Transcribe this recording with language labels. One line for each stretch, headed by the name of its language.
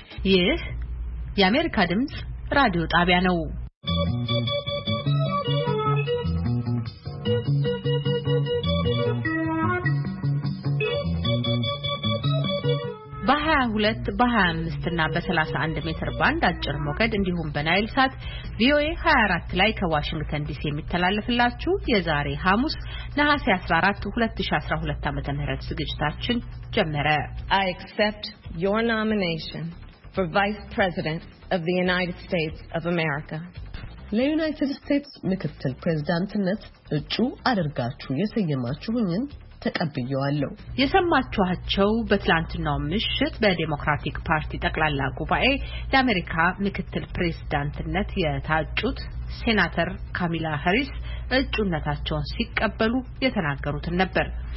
Amharic: ይህ የአሜሪካ ድምፅ ራዲዮ ጣቢያ ነው። በ22 በ25 እና በ31 ሜትር ባንድ አጭር ሞገድ እንዲሁም በናይል ሳት ቪኦኤ 24 ላይ ከዋሽንግተን ዲሲ የሚተላለፍላችሁ የዛሬ ሐሙስ ነሐሴ 14 2012 ዓመተ ምህረት ዝግጅታችን ጀመረ።
English: I accept your nomination for Vice President of the United States of America.
Amharic: ለዩናይትድ ስቴትስ ምክትል ፕሬዝዳንትነት እጩ አድርጋችሁ የሰየማችሁኝን ተቀብያለሁ። የሰማችኋቸው በትላንትናው ምሽት በዲሞክራቲክ ፓርቲ ጠቅላላ ጉባኤ ለአሜሪካ ምክትል ፕሬዝዳንትነት የታጩት ሴናተር ካሚላ ሃሪስ እጩነታቸውን ሲቀበሉ የተናገሩት ነበር።